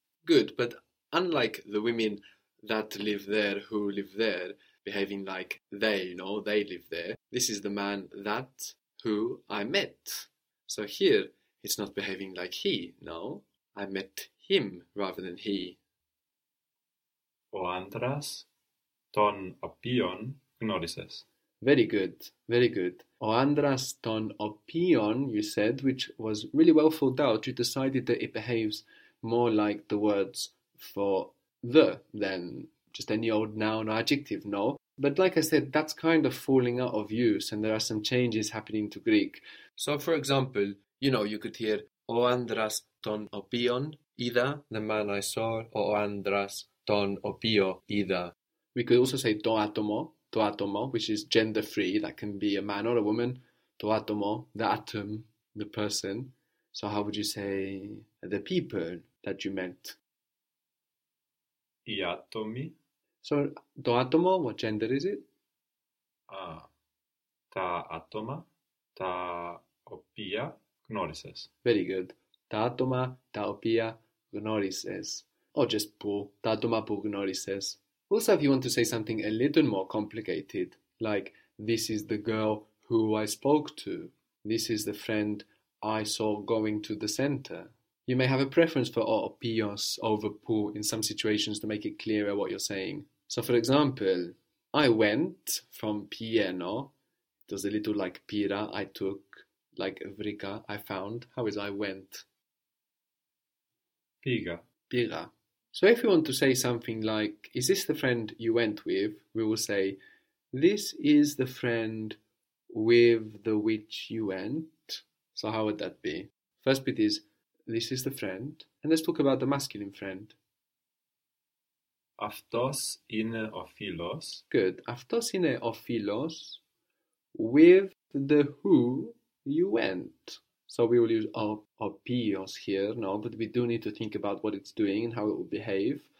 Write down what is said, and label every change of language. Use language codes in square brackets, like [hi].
[en] Good. But unlike the women that live there, who live there, behaving like they, you know, they live there. This is the man that, who, I met. So here, it's not behaving like he, no. I met him, rather than he. [el] Ο άντρας τον οποίον γνώρισες. [en] Very good, very good. [el] Ο άντρας τον οποίον, [en] you said, which was really well thought out. You decided that it behaves more like the words for the than just any old noun or adjective, no? But like I said, that's kind of falling out of use, and there are some changes happening to Greek. So for example, you know, you could hear [el] ο άντρας τον οποίον είδα, [en] the man I saw, [el] ο άντρας τον οποίο είδα. [en] We could also say [el] το άτομο, [en] which is gender free, that can be a man or a woman, το άτομο, the atom, the person. So how would you say the people that you met? [el] Οι άτομοι. [en] So, [el] το άτομο, [en] what gender is it? [el] Τα άτομα τα οποία γνώρισες. [en] Very good. [el] Τα άτομα τα οποία γνώρισες. [en] Or just [el] που, τα άτομα που γνώρισες. [en] Also, if you want to say something a little more complicated, like, this is the girl who I spoke to, this is the friend I saw going to the center. You may have a preference for [el] o opios [en] over pu in some situations to make it clearer what you're saying. So for example, I went from pieno, it was a little like pira, I took, like vrika, I found. How is I went? [el] Piga. Piga. [en] So if you want to say something like, is this the friend you went with? We will say, this is the friend with the which you went. So how would that be? First bit is, this is the friend. And let's talk about the masculine friend. [el] Αυτός είναι ο φίλος. [en] Good. [el] Αυτός είναι ο φίλος [en] with the who you went. So we will use ο πίος here, no? But we do need to think about what it's doing and how it will behave.